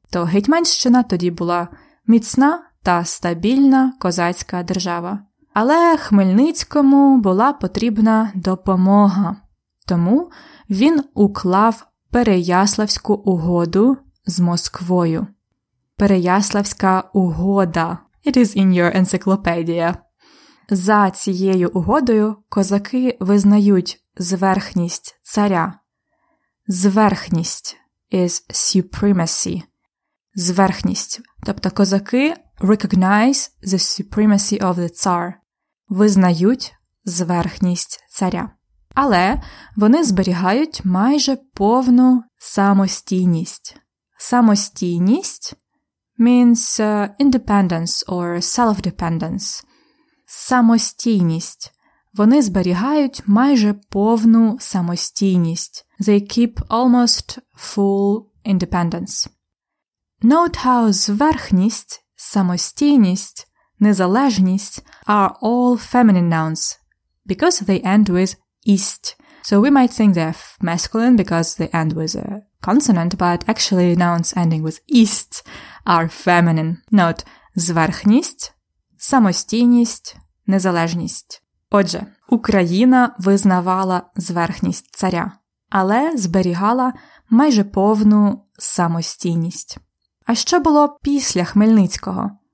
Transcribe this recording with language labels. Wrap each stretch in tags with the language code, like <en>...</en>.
<uk>То Гетьманщина тоді була міцна та стабільна козацька держава. Але Хмельницькому була потрібна допомога. Тому він уклав Переяславську угоду з Москвою. Переяславська угода.</uk> <en>It is in your encyclopedia.</en> <uk>За цією угодою козаки визнають зверхність царя. Зверхність</uk> <en>is supremacy.</en> <uk>зверхність. Тобто козаки</uk> <en>recognize the supremacy of the Tsar.</en> <uk>Визнають зверхність царя. Але вони зберігають майже повну самостійність.</uk> <en>Самостійність means independence or self-dependence.</en> <uk>Самостійність. Вони зберігають майже повну самостійність.</uk> <en>They keep almost full independence. Note how зверхність, самостійність, незалежність are all feminine nouns because they end with ist. So we might think they're masculine because they end with a consonant, but actually nouns ending with ist are feminine. Note, зверхність, самостійність, незалежність.</en> <uk>Отже, Україна визнавала зверхність царя, але зберігала майже повну самостійність. А що було після Хмельницького?</uk>